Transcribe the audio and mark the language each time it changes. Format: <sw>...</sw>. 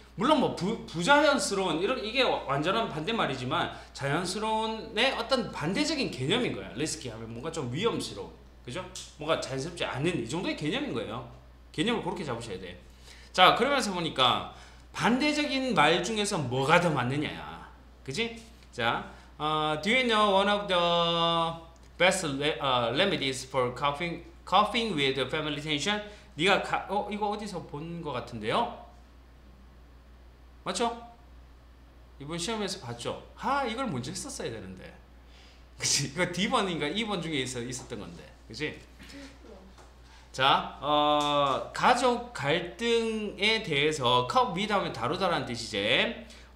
<ko>물론 뭐 부자연스러운 이런, 이게 완전한 반대말이지만 자연스러운의 어떤 반대적인 개념인 거야. 리스키 하면 뭔가 좀 위험스러운, 그죠? 뭔가 자연스럽지 않은, 이 정도의 개념인 거예요. 개념을 그렇게 잡으셔야 돼. 자, 그러면서 보니까 반대적인 말 중에서 뭐가 더 맞느냐야, 그지?</ko> <en>자, Do you know one of the best remedies for coughing with the family tension?</en> <ko>네가 이거 어디서 본것 같은데요? 맞죠? 이번 시험에서 봤죠? 아, 이걸 먼저 했었어야 되는데. 그치? 이거 D번인가 E번 중에 있었던 건데. 그치? 자, 가족 갈등에 대해서, cope with 하면 다루다라는 뜻이지.</ko>